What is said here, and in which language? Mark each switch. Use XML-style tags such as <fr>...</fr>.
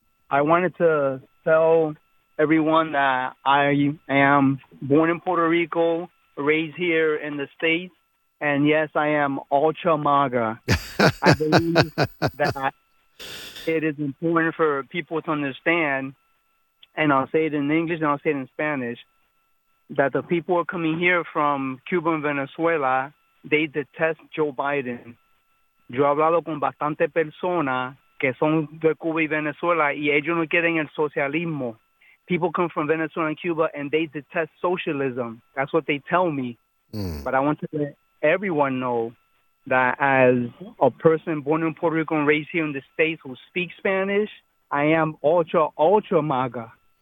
<en>I wanted to tell everyone that I am born in Puerto Rico, raised here in the States, and yes, I am ultra MAGA. I believe that it is important for people to understand, and I'll say it in English and I'll say it in Spanish, that the people are coming here from Cuba and Venezuela, they detest Joe Biden.</en> <es>Yo he hablado con bastante personas que son de Cuba y Venezuela y ellos no quieren el socialismo.</es> <en>People come from Venezuela and Cuba and they detest socialism. That's what they tell me. Mm. But I want to let everyone know that as a person born in Puerto Rico and raised here in the States who speaks Spanish, I am ultra, ultra MAGA.</en>